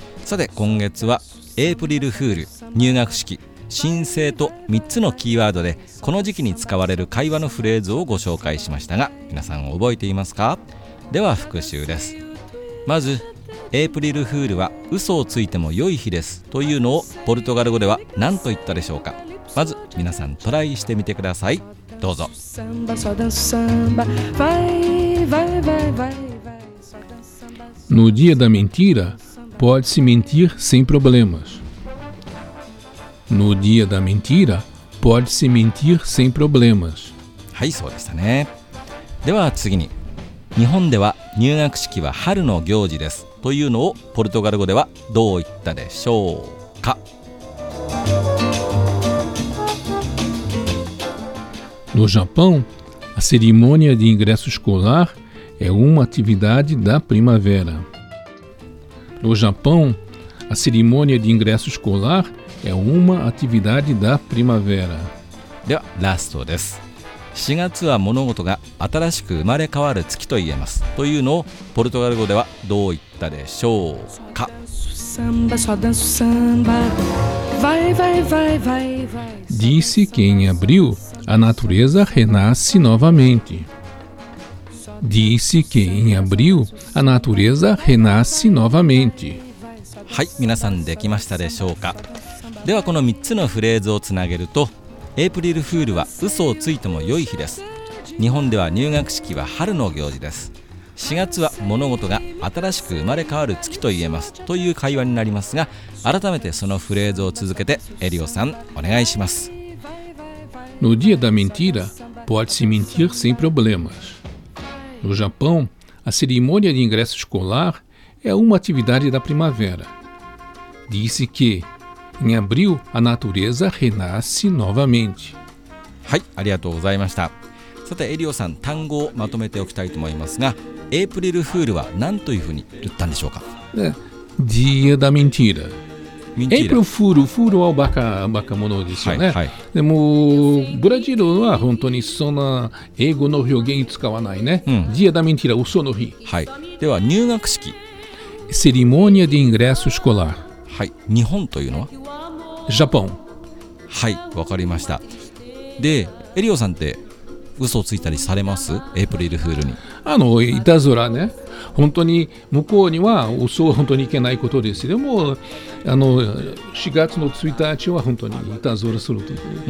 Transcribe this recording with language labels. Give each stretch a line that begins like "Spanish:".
Japanese: さて今月はエイプリルフール、入学式、申請と3つのキーワードでこの時期に使われる会話のフレーズをご紹介しましたが、皆さん覚えていますか？では復習です。まずエイプリルフールは嘘をついても良い日ですというのをポルトガル語では何と言ったでしょうか？まず皆さんトライしてみてください。どうぞ。
Portuguese: No dia da mentira, pode-se mentir sem problemas. No dia da mentira, pode-se mentir sem problemas.
Japanese: はい、そうでしたね。では次に、日本では入学式は春の行事ですというのをポルトガル語ではどう言ったでしょうか？
Portuguese: No Japão, a cerimônia de ingresso escolar é uma atividade da primavera. No Japão, a cerimônia de ingresso escolar é uma atividade da primavera.
Japanese: では、ラストです。 4月は物事が新しく生まれ変わる月と言えます。というのをポルトガル語ではどう言ったでしょうか？
Portuguese: Disse que em abril a natureza renasce novamente. Disse que em abril a natureza renasce novamente.
Japanese: はい、皆さんできましたでしょうか？ではこの3つのフレーズをつなげると、エイプリルフールは嘘をついても良い日です。日本では入学式は春の行事です。4月は物事が新しく生まれ変わる月と言えますという会話になりますが、改めてそのフレーズを続けてエリオさんお願いします。
Portuguese: No dia da mentira, pode-se mentir sem problemas. No Japão, a cerimônia de ingresso escolar é uma atividade da primavera. Disse que em abril a natureza renasce novamente.
Japanese: はい、ありがとうございました。さてエリオさん、単語をまとめておきたいと思いますが、エイプリルフールは何というふうに言ったんでしょうか？
Portuguese: Dia da mentira.
Japanese: エイプリルフール、フールはバカものですよね。はいはい、でもブラジルは本当にそんな英語の表現使わないね。
Portuguese: Dia da mentira,
Japanese: 嘘の日。はい、では入学式。
Portuguese: Cerimônia de ingresso escolar.
Japanese: はい、日本というのは？
Portuguese: Japão.
Japanese: はい、わかりました。で、エリオさんって嘘をついたりされます？エイプリルフールに。あのいたずらね、本当に向こうには嘘は本当にいけないことです。でもあの4月の1日は本当にいたずらするという、